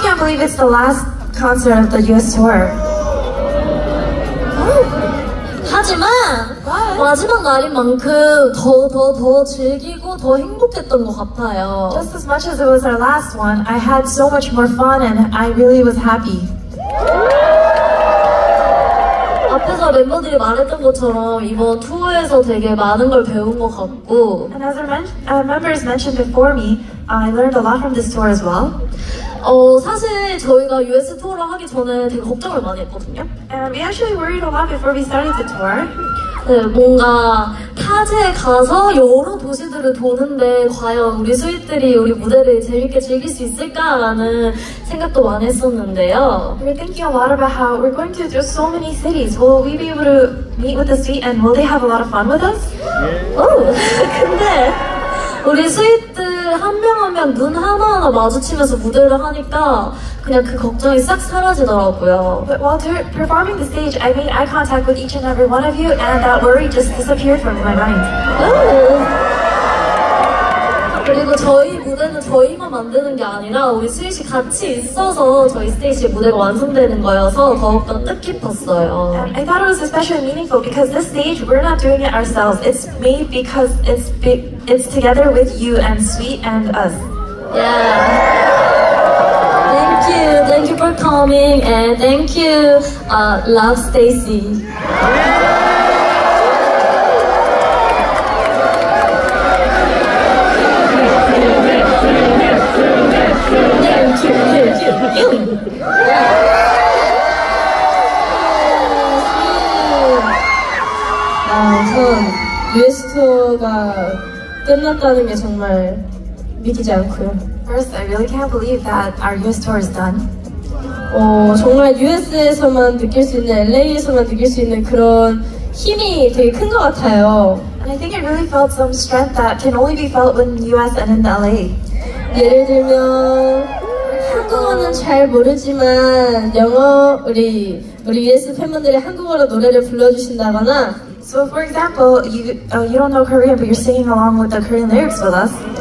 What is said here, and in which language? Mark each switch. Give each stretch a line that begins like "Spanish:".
English: can't believe it's the last concert of the US tour.
Korean: 하지만 마지막 날인 만큼 더 즐기고 더 행복했던 것 같아요.
English: Just as much as it was our last one, I had so much more fun and I really was happy.
Korean: 앞에서 멤버들이 말했던 것처럼 이번 투어에서 되게 많은 걸 배운 것 같고.
English: And as our members mentioned before me, I learned a lot from this tour as well.
Korean: 사실 저희가 US 투어를 하기 전에 되게 걱정을 많이 했거든요.
English: And we actually worried a lot before we started the tour.
Korean: 네, 뭔가 타지에 가서 여러 도시들을 도는데 과연 우리 스윗들이 우리 무대를 재밌게 즐길 수 있을까라는 생각도 많이 했었는데요.
English: We're thinking a lot about how we're going to do so many cities. Will we be able to meet with the suite and will they have a lot of fun with us? Yeah.
Korean: 근데 우리 스윗들 한 명 한 명 눈 하나하나 마주치면서 무대를 하니까 그냥 그 걱정이 싹 사라지더라고요.
English: But while performing the stage, I made eye contact with each and every one of you and that worry just disappeared from my mind.
Korean: 그리고 저희 무대는 저희만 만드는 게 아니라 우리 스윗이 같이 있어서 저희 스테이지 무대가 완성되는 거여서 더욱더 뜻깊었어요.
English: I thought it was especially meaningful because this stage, we're not doing it ourselves. It's made because it's together with you and Sweet and us. Yeah. Thank you for coming and thank you, love STAYC.
Korean: US 투어가 끝났다는 게 정말 믿기지 않고요.
English: First, I really can't believe that our US tour is done.
Korean: 정말 US에서만 느낄 수 있는, LA에서만 느낄 수 있는 그런 힘이 되게 큰 것 같아요.
English: And I think it really felt some strength that can only be felt in US and in LA.
Korean: 예를 들면 한국어는 잘 모르지만 영어 우리 US 팬분들이 한국어로 노래를 불러주신다거나.
English: So for example, you don't know Korean but you're singing along with the Korean lyrics with us.